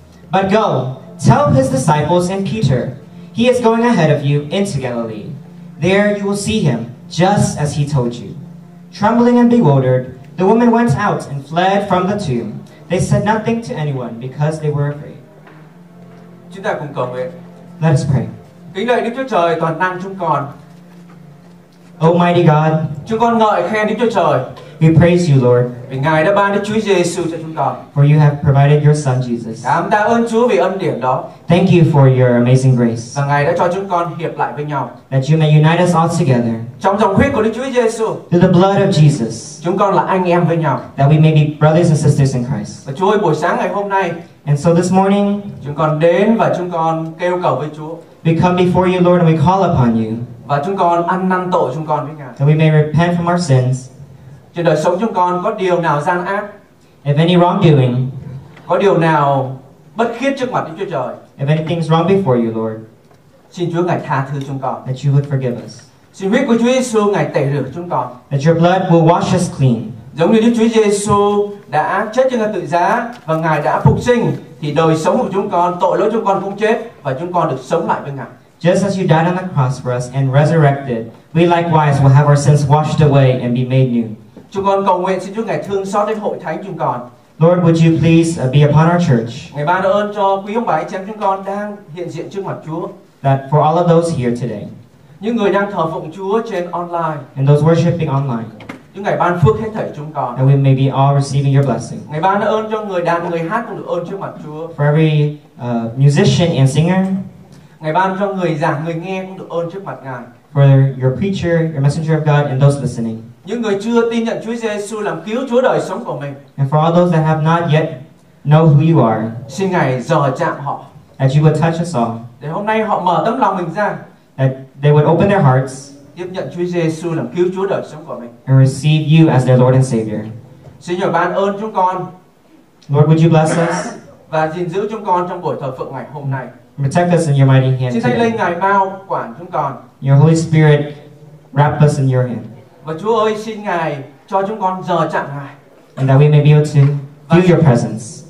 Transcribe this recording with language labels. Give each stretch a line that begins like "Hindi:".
English: But go, tell his disciples and Peter. He is going ahead of you into Galilee. There you will see him, just as he told you." Trembling and bewildered, the woman went out and fled from the tomb. They said nothing to anyone because they were afraid.
Vietnamese: Chúng ta cùng cầu nguyện.
English: Let us pray.
Vietnamese: Kính lạy Đức Chúa Trời toàn năng chúng con.
English: Almighty God,
Vietnamese: chúng con ngợi khen Đức Chúa Trời.
English: We praise you, Lord.
Vietnamese: Vì Ngài đã ban Đức Chúa Giêsu cho chúng con.
English: For you have provided your Son Jesus.
Vietnamese: Cảm tạ ơn Chúa vì ân điển đó.
English: Thank you for your amazing grace.
Vietnamese: Và Ngài đã cho chúng con hiệp lại với nhau.
English: That you may unite us all together.
Vietnamese: Trong dòng huyết của Đức Chúa Giêsu.
English: Through the blood of Jesus.
Vietnamese: Chúng con là anh em với nhau.
English: That we may be brothers and sisters in Christ.
Vietnamese: Và Chúa ơi, buổi sáng ngày hôm nay.
English: And so this morning,
Vietnamese: chúng con đến và chúng con kêu cầu với Chúa.
English: We come before you, Lord, and we call upon you.
Vietnamese: Và chúng con ăn năn tội chúng con với Ngài.
English: That we may repent from our sins.
Vietnamese: Trên đời sống chúng con có điều nào gian ác?
English: If any wrongdoing,
Vietnamese: có điều nào bất khiết trước mặt Đức Chúa Trời?
English: If anything's wrong before you, Lord,
Vietnamese: xin Chúa Ngài tha thứ chúng con.
English: That you would forgive us.
Vietnamese: Xin huyết của Chúa Giêsu Ngài tẩy rửa chúng con.
English: That your blood will wash us clean.
Vietnamese: Giống như Đức Chúa Giêsu đã chết trên thập tự giá và Ngài đã phục sinh, thì đời sống của chúng con, tội lỗi chúng con cũng chết và chúng con được sống lại với Ngài.
English: Just as you died on the cross for us and resurrected, we likewise will have our sins washed away and be made new.
Vietnamese: Chúng con cầu nguyện xin Chúa Ngài thương xót đến hội thánh chúng con.
English: Lord, would you please be upon our church.
Vietnamese: Ngài ban ơn cho quý ông bà anh chị em chúng con đang hiện diện trước mặt Chúa.
English: That for all of those here today.
Vietnamese: Những người đang thờ phụng Chúa trên online.
English: And those worshiping online.
Vietnamese: Chúng Ngài ban phước hết thảy chúng con.
English: That we may be all receiving your blessing.
Vietnamese: Ngài ban ơn cho người đàn người hát cũng được ơn trước mặt Chúa.
English: For every musician and singer.
Vietnamese: Ngài ban cho người giảng người nghe cũng được ơn trước mặt Ngài.
English: For your preacher, your messenger of God, and those listening.
Vietnamese: Những người chưa tin nhận Chúa Giêsu làm cứu Chúa đời sống của mình.
English: And for all those that have not yet know who you are.
Vietnamese: Xin Ngài dò chạm họ.
English: That you would touch us all.
Vietnamese: Để hôm nay họ mở tấm lòng mình ra.
English: That they would open their hearts.
Vietnamese: tiếp nhận Chúa Giêsu làm cứu Chúa đời sống của mình.
English: And receive you as their Lord and Savior.
Vietnamese: Xin Chúa ban ơn chúng con.
English: Lord, would you bless us?
Vietnamese: Và gìn giữ chúng con trong buổi thờ phượng ngày hôm nay.
English: Protect us in your mighty hand.
Vietnamese: Xin Thánh Linh ngài bao quản chúng con.
English: Your Holy Spirit wrap us in your hand.
Vietnamese: Và Chúa ơi, xin ngài cho chúng con giờ chạm ngài.
English: And that we may be able to feel your presence.